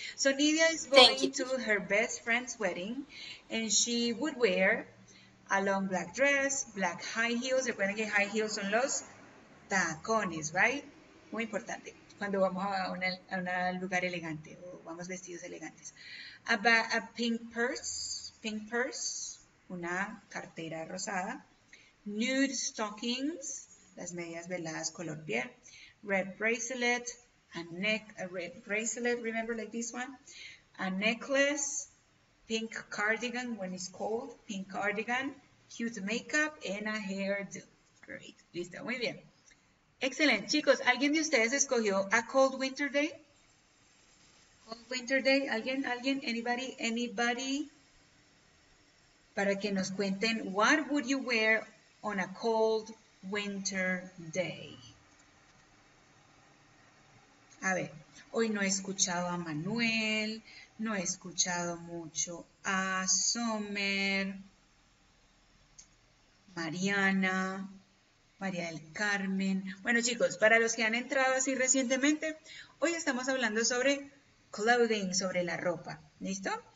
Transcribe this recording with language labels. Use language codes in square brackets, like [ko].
[en] So Nidia is going to her best friend's wedding, and she would wear a long black dress, black high heels. [es] Recuerden que high heels son los tacones, right? Muy importante cuando vamos a un lugar elegante o vamos vestidos elegantes. [en] A pink purse, [es] una cartera rosada, [en] nude stockings, [es] las medias veladas color piel, [en] red bracelet, a red bracelet, remember like this one, a necklace, pink cardigan when it's cold, pink cardigan, cute makeup, and a hairdo. [es] Great, listo, muy bien. Excelente. Chicos, ¿alguien de ustedes escogió [en] a cold winter day? Cold winter day, ¿alguien? Anybody? [es] Para que nos cuenten, [en] what would you wear on a cold winter day? [es] A ver, hoy no he escuchado a Manuel, no he escuchado mucho a Summer, Mariana, María del Carmen. Bueno, chicos, para los que han entrado así recientemente, hoy estamos hablando sobre clothing, sobre la ropa, ¿listo?